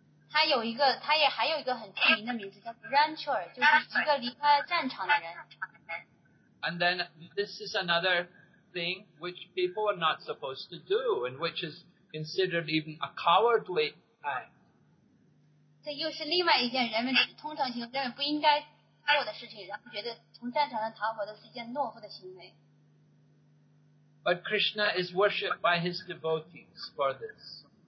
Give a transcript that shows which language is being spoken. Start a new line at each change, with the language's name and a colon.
Chinese: 他还有一个很著名的名字叫 Ranchor, 就是一个离开战场的人。
English: And then this is another thing which people are not supposed to do, and which is considered even a cowardly act.
Chinese: 这又是另外一件人们通常行认为不应该做的事情，然后觉得从战场上逃跑的是一件懦夫的行为。
English: But Krishna is worshipped by his devotees for this.